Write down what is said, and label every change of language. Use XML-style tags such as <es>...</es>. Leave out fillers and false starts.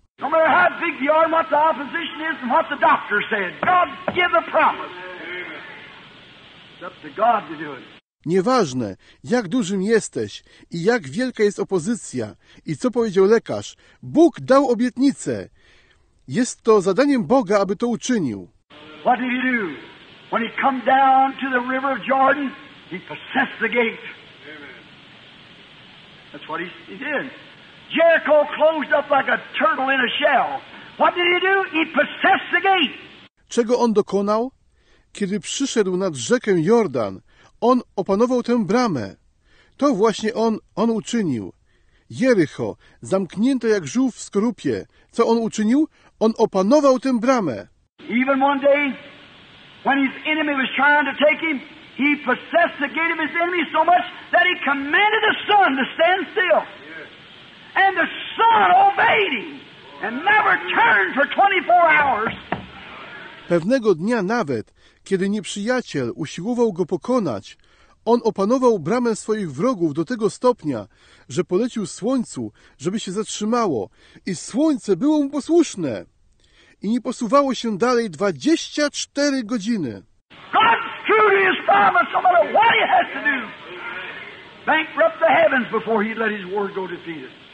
<en>No matter how big the army, what the opposition is and what the doctor said, God give the promise. It's up to God to do it.</en> <pl>Nieważne, jak dużym jesteś i jak wielka jest opozycja i co powiedział lekarz, Bóg dał obietnicę. Jest to zadaniem Boga, aby to uczynił.</pl> <en>What did he do? When he come down to the river of Jordan, he possessed the gate. Amen. That's what he did. Jericho closed up like a turtle in a shell. What did he do? He possessed the gate.</en> <pl>Czego on dokonał? Kiedy przyszedł nad rzekę Jordan, on opanował tę bramę. To właśnie on uczynił. Jerycho, zamknięte jak żółw w skorupie. Co on uczynił? On opanował tę bramę.</pl> <en>Even one day, when his enemy was trying to take him, he possessed the gate of his enemy so much that he commanded the sun to stand still. And the sun obeyed him and never turned for 24 hours.</en> <pl>Pewnego dnia nawet, kiedy nieprzyjaciel usiłował go pokonać, on opanował bramę swoich wrogów do tego stopnia, że polecił słońcu, żeby się zatrzymało i słońce było mu posłuszne i nie posuwało się dalej 24 godziny.</pl> <en>God's true to his promise, no matter what he has to do. Bankrupt the heavens before he let his word go defeated.</en>